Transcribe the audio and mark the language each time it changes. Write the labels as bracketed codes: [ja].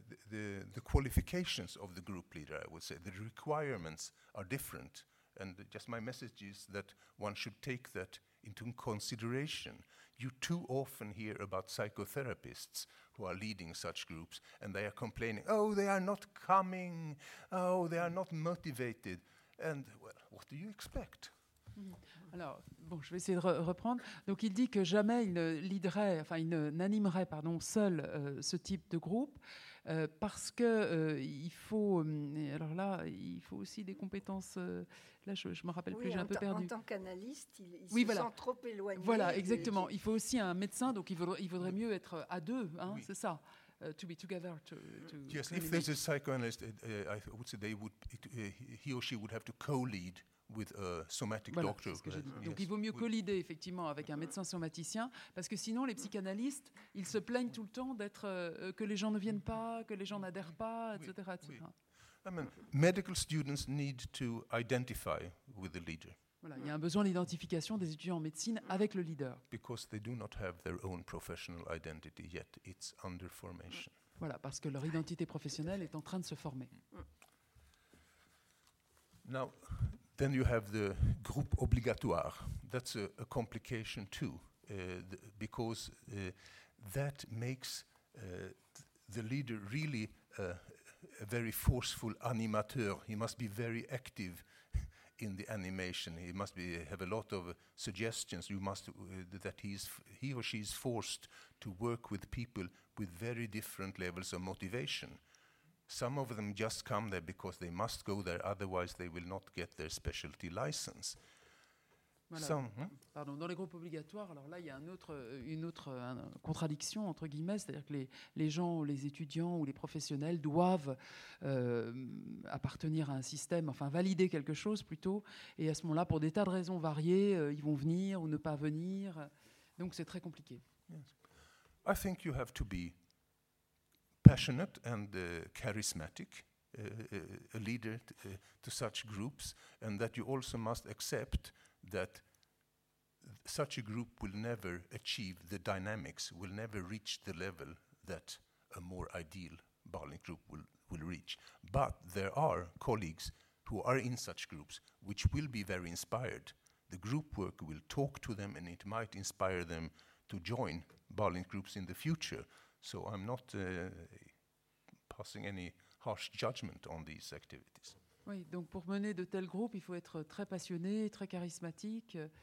[en] The qualifications of the group leader, I would say, the requirements are different, and just my message is that one should take that into consideration. You too often hear about psychotherapists who are leading such groups, and they are complaining, oh, they are not coming, oh, they are not motivated, and, well, what do you expect? [fr] Alors, bon, je vais essayer de reprendre. Donc, il dit que jamais il ne liderait, enfin, il n'animerait, pardon, seul ce type de groupe, parce que il faut. Alors là, il faut aussi des compétences. Là, je ne me rappelle plus, j'ai un peu perdu. En tant qu'analyste, il se sent trop éloigné. Voilà, exactement. Il faut aussi un médecin, donc il vaudrait mieux être à deux, hein, oui. C'est ça. [en] To be together. Yes, if there's a psychoanalyst, I would say he or she would have to co-lead. With a somatic [fr] voilà, [en] doctor. [fr] Donc [en] yes. [fr] Il vaut mieux co-leader effectivement avec un médecin somaticien, parce que sinon les psychanalystes, ils se plaignent tout le temps d'être que les gens ne viennent pas, que les gens n'adhèrent pas, etc. Oui. [en] I mean, medical students need to identify with the leader. [fr] Voilà, il y a un besoin d'identification des étudiants en médecine avec le leader. [en] Because they do not have their own professional identity yet, it's under formation. [fr] Voilà, parce que leur identité professionnelle est en train de se former. [en] Now. Then you have the group obligatoire. That's a complication too, because that makes the leader really a very forceful animateur. He must be very active in the animation. He must be have a lot of suggestions. You must that he or she is forced to work with people with very different levels of motivation. Some of them just come there because they must go there, otherwise they will not get their specialty license. [fr] Voilà. Pardon, dans les groupes obligatoires, alors là, il y a une autre contradiction, entre guillemets, c'est-à-dire que les gens, les étudiants ou les professionnels doivent appartenir à un système, enfin valider quelque chose plutôt, et à ce moment-là, pour des tas de raisons variées, ils vont venir ou ne pas venir, donc c'est très compliqué. [en] Yes. I think you have to be passionate and charismatic, a leader to such groups, and that you also must accept that such a group will never achieve the dynamics, will never reach the level that a more ideal Berlin group will reach. But there are colleagues who are in such groups which will be very inspired. The group work will talk to them and it might inspire them to join Berlin groups in the future. So I'm not passing any harsh judgment on these activities. [fr] Oui, donc pour mener de tels groupes, il faut être très passionné, très charismatique.